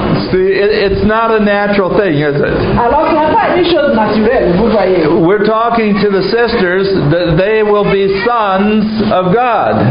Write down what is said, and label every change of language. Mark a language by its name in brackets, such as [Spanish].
[English] See, it's not a natural thing, is it? [French] Alors, c'est pas une chose naturelle, vous voyez. [English] We're talking to the sisters that they will be sons of God.